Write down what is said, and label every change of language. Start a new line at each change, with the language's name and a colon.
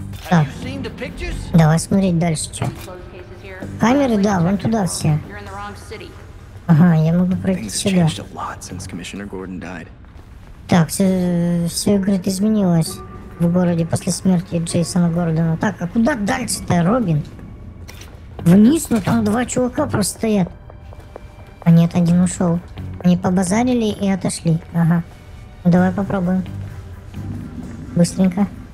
Russian: Так. Давай смотреть дальше, что. Камеры, да, вон туда все. Ага, я могу пройти сюда.
English: Things changed a lot since Commissioner Gordon died.
Russian: Так, все говорит, изменилось в городе после смерти Джейсона Гордона. Так, а куда дальше-то, Робин? Вниз, но там два чувака просто стоят. А нет, один ушел. Они побазарили и отошли. Ага. Ну, давай попробуем. Быстренько.